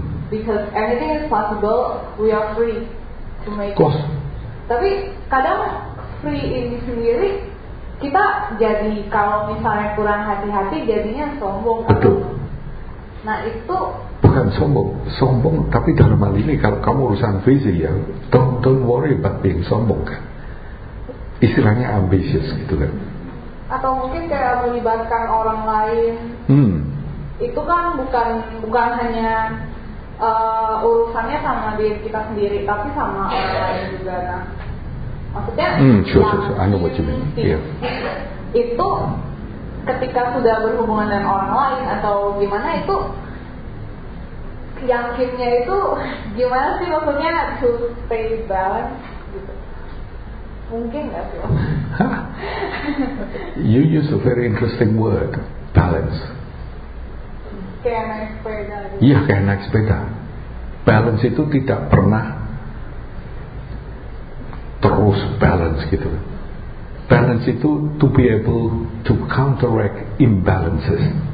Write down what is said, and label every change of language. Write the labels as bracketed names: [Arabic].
[English] Because anything is possible, we are free to make it. Course. [Indonesian] Tapi kadang free ini sendiri kita jadi kalau misalnya kurang hati-hati jadinya sombong. Betul. Nah itu bukan sombong, sombong tapi dalam hal ini kalau kamu urusan visi ya, [English] don't worry about being sombong [Indonesian] kan, istilahnya ambitious gitu kan. Atau mungkin kayak melibatkan orang lain, itu kan bukan hanya urusannya sama diri kita sendiri, tapi sama orang lain juga. Nah, maksudnya [English] I know what you mean. [Indonesian] Itu ketika sudah berhubungan dengan orang lain atau gimana, itu yakinnya itu gimana sih, maksudnya [English] to stay balance [Indonesian] gitu. Mungkin gak sih? [English] You use a very interesting word, balance. [Indonesian] Kayak naik sepeda. Iya, kayak naik sepeda. Balance itu tidak pernah terus balance gitu. [English] Balance itu to be able to counteract imbalances.